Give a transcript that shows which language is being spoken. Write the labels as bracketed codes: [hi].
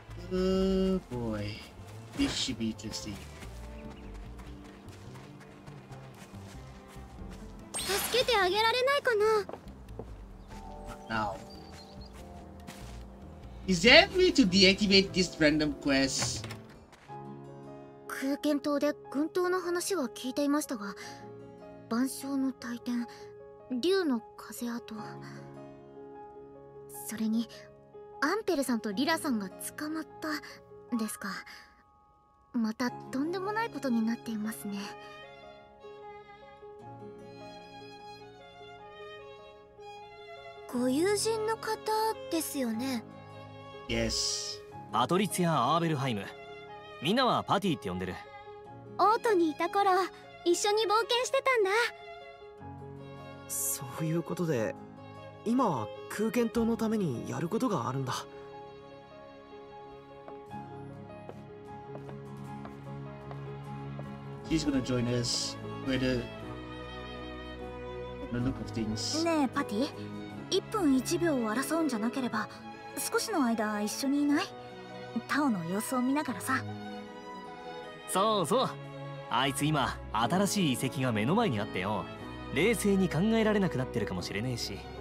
[en] Oh boy, this should be interesting. [ja] 助けてあげられないかな。 [en] Now, is there a way to deactivate this random quest? [ja] 空剣島で軍刀の話は聞いていましたが、晩鐘の体験、竜の風跡、それにアンペルさんとリラさんが捕まったですか。またとんでもないことになっていますね。ご友人の方ですよね。 [en] Yes。 [ja] パトリツィア・アーベルハイム、みんなはパティって呼んでる。オートにいた頃一緒に冒険してたんだ。そういうことで今は空間島のためにやることがあるんだ。 [en] He's gonna join us by the look of things. [ja] ねえパティ、1分1秒を争うんじゃなければ少しの間一緒にいない？タオの様子を見ながらさ。そうそう、あいつ今新しい遺跡が目の前にあってよ、冷静に考えられなくなってるかもしれねえし。